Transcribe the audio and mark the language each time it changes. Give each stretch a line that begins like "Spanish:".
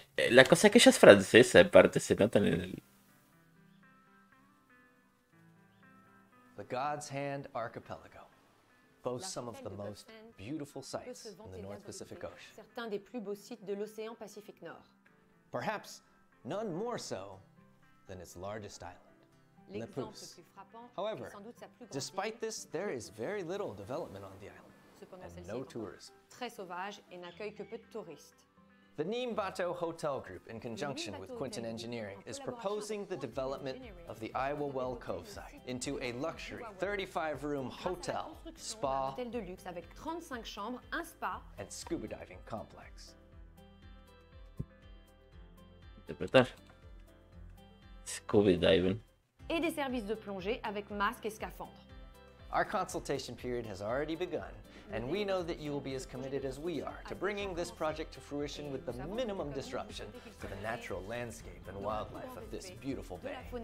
Spanish: La cosa es que ella es francesa, aparte se nota en el...
English: The God's Hand Archipelago boasts some of the most beautiful sights in the North Pacific Ocean.
French: Certains des plus beaux sites de l'océan Pacifique Nord.
English: Perhaps none more so than its largest island. However, despite this, there is very little development on the island, and no tourism.
French: Très sauvage et n'accueille que peu de touristes.
English: The Nimbato Hotel Group, in conjunction with Quinton Engineering, is proposing the development of the IzzyWuff Cove site into a luxury 35-room hotel, spa, and scuba diving complex.
Spanish: Interpretar. Scuba diving.
French: Et des services de plongée avec masque et scaphandre.
English: Our consultation period has already begun, and we know that you will be as committed as we are to bringing this project to fruition with the minimum disruption to the natural landscape and wildlife of this beautiful bay.